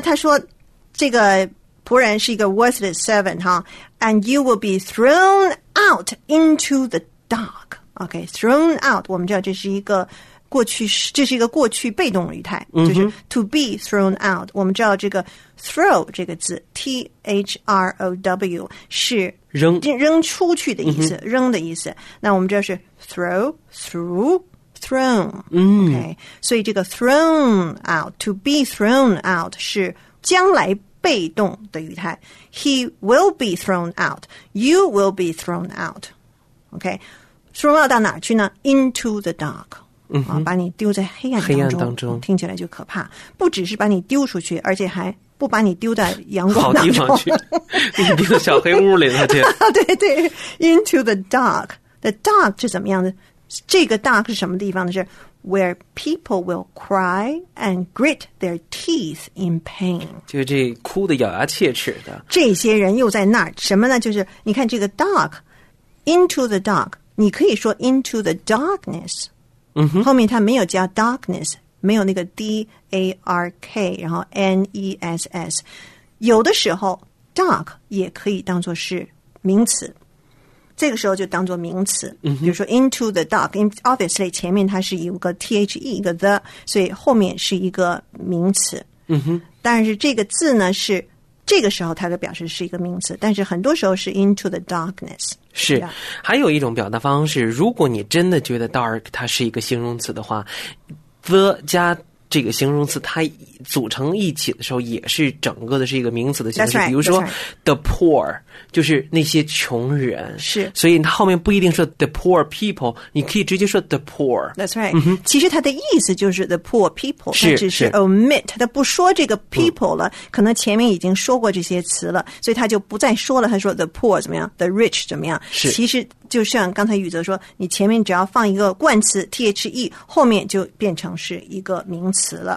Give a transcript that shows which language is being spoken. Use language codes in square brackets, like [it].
[zh] 他说，这个仆人是一个 worthless servant， 哈。 [en] And you will be thrown out into the dark. Okay, thrown out. [zh] 我们知道这是一个过去式，这是一个过去被动语态， mm-hmm. 就是 [en] to be thrown out. [zh] 我们知道这个 throw 这个字 T-H-R-O-W 是扔出去的意思， mm-hmm. 扔的意思。那我们知道是 throw through thrown. [en] Okay,、 mm. [zh] 所以这个 thrown out to be thrown out 是将来。被动的语态 [en] ，He will be thrown out. You will be thrown out. Okay, thrown out [zh] 到哪儿去呢 [en] ？Into the dark. 嗯哼， [zh] 把你丢在黑暗当中。黑暗当中，听起来就可怕。不只是把你丢出去，而且还不把你丢在阳光当中，好地方去，你丢到小黑屋里了。对对对 [en] ，Into the dark. [zh] The dark 是怎么样的？这个 dark 是什么地方呢？是 [en] where people will cry and grit their teeth in pain， [zh] 就这哭的咬牙切齿的，这些人又在那儿什么呢？就是你看这个 dark， into the dark， 你可以说 into the darkness，嗯哼，后面它没有加 darkness， 没有那个 dark， 然后 ness， 有的时候 dark 也可以当作是名词。这个时候就当做名词，比如说 into the dark， obviously 前面它是有个 the 一个 the， 所以后面是一个名词。嗯哼，但是这个字呢是这个时候它的表示是一个名词，但是很多时候是 into the darkness。是，还有一种表达方式，如果你真的觉得 dark 它是一个形容词的话， the 加这个形容词它组成一起的时候也是整个的是一个名词的形式。 [en] right, [zh] 比如说 the poor 就是那些穷人，是，所以它后面不一定说 the poor people， 你可以直接说 the poor。 [en] That's right、嗯、 [zh] 其实它的意思就是 [en] the poor people， [zh] 是，它只是 omit， 它不说这个 people 了、嗯、可能前面已经说过这些词了，所以它就不再说了，它说 the poor 怎么样， the rich 怎么样。是，其实就像刚才宇泽说，你前面只要放一个冠词 the， 后面就变成是一个名词词了。